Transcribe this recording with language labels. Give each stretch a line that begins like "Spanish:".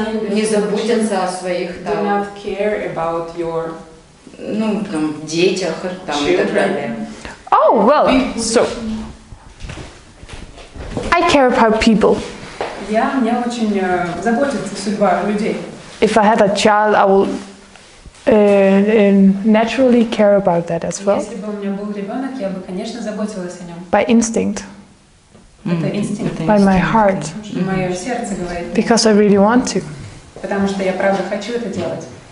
Russian: Не заботиться о своих, да.
English: Do not care about your...
Russian: Ну, там, детях, там, и так далее.
English: Oh, well, so... I care about people.
Russian: Я, мне очень заботится судьба людей.
English: If I had a child, I would naturally care about that as well.
Russian: Если бы у меня был ребенок, я бы, конечно, заботилась о нем.
English: By instinct.
Russian: Это инстинкт.
English: By my heart.
Russian: Мое сердце говорит.
English: Because I really want to.
Russian: Потому что я правда хочу это делать.